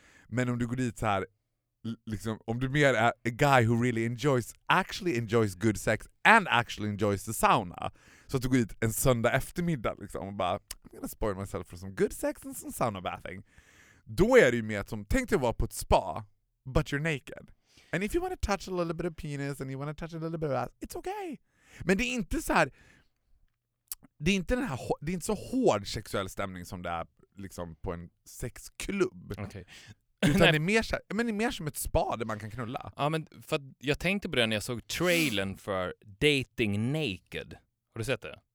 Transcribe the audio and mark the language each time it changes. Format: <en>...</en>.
<sv>Men om du går dit så här, liksom, om du mer är</sv> <en>a guy who really enjoys, actually enjoys good sex and actually enjoys the sauna.</en> <sv>Så att du går dit en söndag eftermiddag liksom, och bara,</sv> <en>I'm gonna spoil myself for some good sex and some sauna bathing.</en> <sv>Då är det ju mer som, tänk dig att vara på ett spa,</sv> <en>but you're naked. And if you want to touch a little bit of penis and you want to touch a little bit of ass, it's okay.</en> <sv>Men det är inte så här... Det är inte den här, det är inte så hård sexuell stämning som det är liksom på en sexklubb.</sv> <en>Okay.</en> <sv>Utan det är mer så här, men det är mer som ett spa där man kan knulla. Ja, men för jag tänkte på det när jag såg trailern för Dating Naked. Har du sett det?</sv>